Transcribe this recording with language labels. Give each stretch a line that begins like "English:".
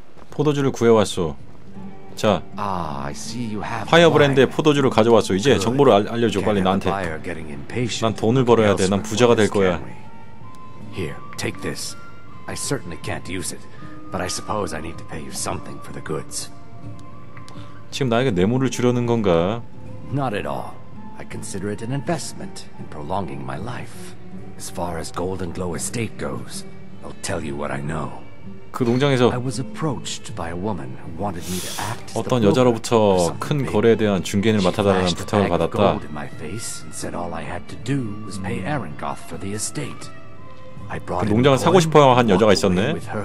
Korean: 포도주를 구해왔어. 자, 파이어브랜드의 포도주를 가져왔어. 이제 정보를 알려줘. 빨리 나한테. 난 돈을 벌어야 돼. 난 부자가 될 거야.
English: Here, take this. I certainly can't use it, but I suppose I need to pay you something for the goods.
Korean: 지금 나에게 뇌물을 주려는 건가?
English: Not at all. I consider it an investment in prolonging my life. As far as Golden Glow Estate goes, I'll tell you what I know.
Korean: 그 농장에서
English: I was approached by a woman who wanted me to act.
Korean: 어떤 여자로부터 큰 거래에 대한 중개인을 맡아달라는 부탁을 받았다.
English: She flashed a bag of gold in my face and said all I had to do was pay Arengoth for the estate.
Korean: 그 농장을 사고 싶어 한 여자가 있었네.